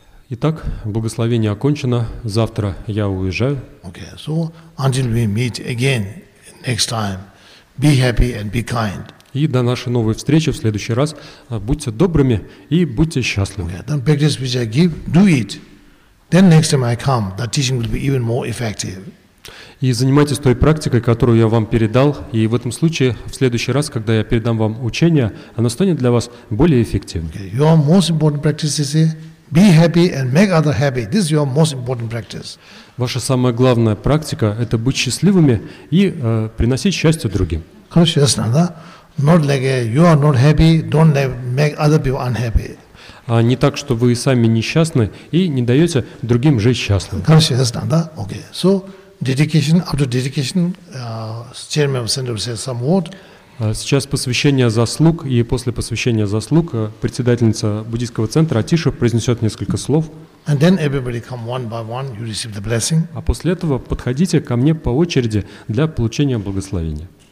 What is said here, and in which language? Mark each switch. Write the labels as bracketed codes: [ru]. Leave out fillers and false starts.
[ru] Итак, благословение окончено. Завтра я уезжаю. [en] Okay. So until we meet again next time, be happy and be kind. [ru] И до нашей новой встречи в следующий раз будьте добрыми и будьте счастливы. [en] Okay. Then practice which I give, do it. Then next time I come, the teaching will be even more effective. [ru] И занимайтесь той практикой, которую я вам передал, и в этом случае, в следующий раз, когда я передам вам учение, оно станет для вас более эффективным. [en] Okay. Your most important practice is be happy and make other happy. This is your most important practice. [ru] Ваша самая главная практика – это быть счастливыми и приносить счастье другим. Конечно, да? [en] Not like you are not happy, don't make other people unhappy. [ru] А не так, что вы сами несчастны и не даете другим жить счастливыми. Конечно, да? [en] Okay. So, dedication, after dedication, chairman of center says some word. [ru] Сейчас посвящение заслуг, и после посвящения заслуг председательница буддийского центра Атиша произнесет несколько слов. [en] And then everybody come one by one, you receive the blessing. [ru] А после этого подходите ко мне по очереди для получения благословения.